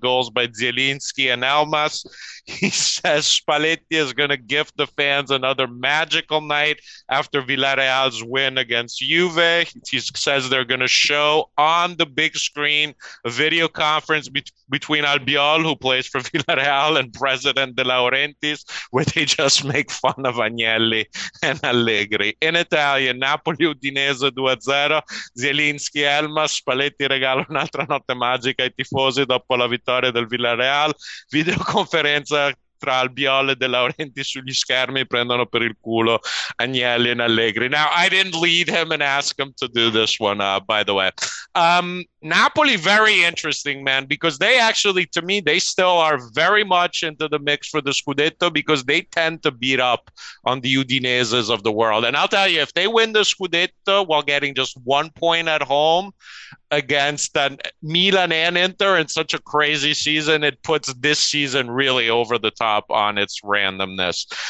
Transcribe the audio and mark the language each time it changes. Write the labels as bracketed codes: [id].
[en] Goals by Zielinski and Elmas. He says Spalletti is going to gift the fans another magical night after Villarreal's win against Juve. He says they're going to show on the big screen a video conference between Albiol, who plays for Villarreal, and President De Laurentiis, where they just make fun of Agnelli and Allegri. In Italian, Napoli Udinese 2-0. [it] Zielinski, Elmas, Spalletti regala un'altra notte magica ai tifosi dopo la vittoria del Villarreal. Videoconferenza tra Albiol e De Laurenti sugli schermi, prendono per il culo Agnelli and Allegri. [en] Now, I didn't lead him and ask him to do this one, by the way. Napoli, very interesting, man, because they actually, to me, they still are very much into the mix for the Scudetto, because they tend to beat up on the Udineses of the world. And I'll tell you, if they win the Scudetto while getting just 1 point at home against Milan and Inter in such a crazy season, it puts this season really over the top on its randomness.